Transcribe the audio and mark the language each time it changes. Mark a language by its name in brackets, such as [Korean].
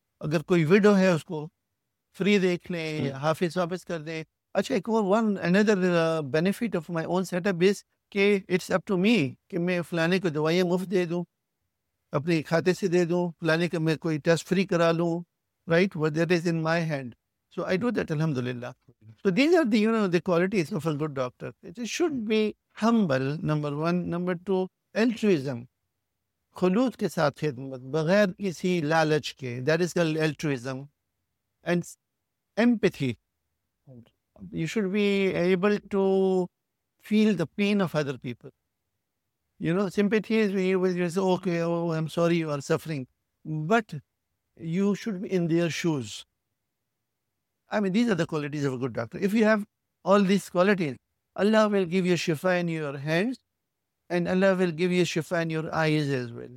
[Urdu] اگر کوئی ویڈو ہے اس کو فری دیکھ لیں, ہاف فیس واپس کر دیں. اچھا, ایک اور [English] one اندر benefit of my own set up base [Urdu] کہ [English] it's up to me [Urdu] کہ میں فلانے کو دوائیاں مفت دے دوں, اپنے کھاتے سے دے دوں, فلانے کا میں کوئی ٹیسٹ فری کرا لوں. [English] Right. What that is in my hand. So I do that الحمد للہ. So these are the you know the qualities of a good doctor. It should be humble, number one. Number two, [Urdu] الٹرویزم, خلوص کے ساتھ خدمت بغیر کسی لالچ کے, [English] That is call altruism. And empathy, you should be able to feel the pain of other people. You know, sympathy is when you say, okay, oh, I'm sorry you are suffering. But you should be in their shoes. I mean, these are the qualities of a good doctor. If you have all these qualities, Allah will give you shifa in your hands and Allah will give you shifa in your eyes as well.